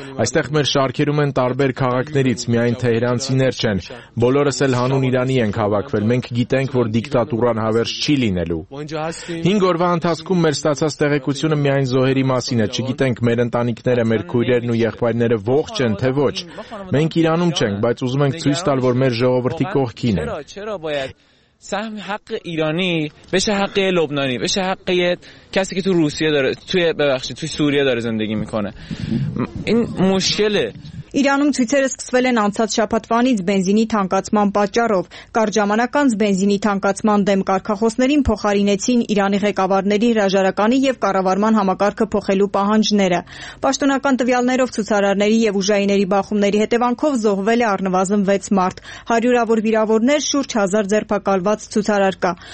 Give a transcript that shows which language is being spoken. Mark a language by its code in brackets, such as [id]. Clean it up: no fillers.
[hy] Այստեղ մեր շարքերում են տարբեր քաղաքներից, միայն թեհրանցիներ չեն, բոլորս էլ հանուն Իրանի ենք հավաքվել, մենք գիտենք, որ դիկտատուրան հավերժ չի լինելու։ 5 օրվա ընթացքում մեր ստացած տեղեկությունը միայն զոհերի մասին է, չգիտենք մեր ընտանիքները, մեր քույրերն ու եղբայրները ողջ են թե ոչ։ Մենք Իրանում չենք, բայց ուզում ենք ցույց տալ, որ մեր ժողովրդի կողքին են։ Չէ՞ [fa] باید سهم حق ایرانی بشه حق لبنانی بشه حق کسی که تو روسیه داره توی ببخشید توی سوریه داره زندگی میکنه این مشکله [hy] Իրանում ցույցերը սկսվել են անցած շաբաթվանից բենզինի թանկացման պատճառով։ Կար ժամանակ անց բենզինի թանկացման դեմ կարգախոսներին փոխարինեցին Իրանի ղեկավարների հրաժարականի եւ կառավարման համակարգը փոխելու պահանջները։ Պաշտոնական տվյալներով ցուցարարների եւ ուժայիների բախումների հետևանքով զոհվել է առնվազն 6 մարդ, հարյուրավոր վիրավորներ, շուրջ 1000 ձերբակալված ցուցարար կա։